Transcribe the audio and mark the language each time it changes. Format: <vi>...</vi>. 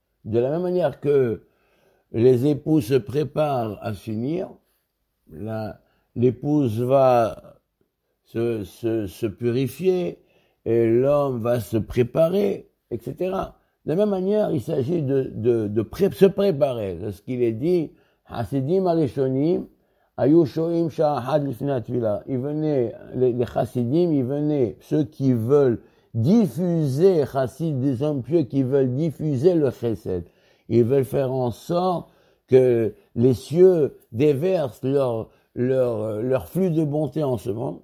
<fr>De la même manière que les époux se préparent à s'unir, l'épouse va se purifier et l'homme va se préparer, etc. De la même manière, il s'agit de se préparer. C'est ce qu'il est dit,</fr> <he>חסידים הראשונים היו שואים שעה אחת לפני התפילה. יבנה לחסידים, יבנה,</he> <fr>ceux qui veulent diffuser, חסיד des hommes pieux qui veulent diffuser le chesed. Ils veulent faire en sorte que les cieux déversent leur flux de bonté en ce moment.</fr>